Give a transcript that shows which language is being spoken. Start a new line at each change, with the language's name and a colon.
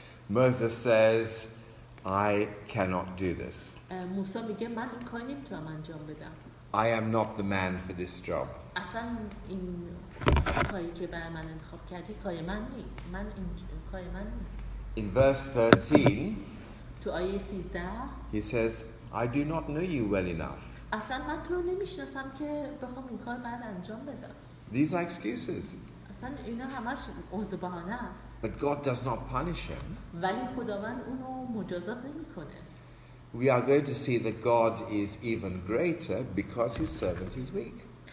English: Moses says, I cannot do this.
Persian: موسی میگه من این کار نمیتونم انجام بدم.
English: I am not the man for this job.
Persian: اصلا این کاری که برای من انتخاب کردی کار من نیست. من این کار من نیست.
English: In verse 13,
Persian: تو آیه 13,
English: he says, I do not know you well enough.
Persian: اصلا من تو نمیشناسم که بخوام این کار بعد انجام بدم.
English: These are excuses.
Persian: اصلا اینا همش عذر بهانه است.
English: But God does not punish him.
Persian: ولی خداوند اونو مجازات نمیکنه.
English: We are going to see that God is even greater because his servant is weak.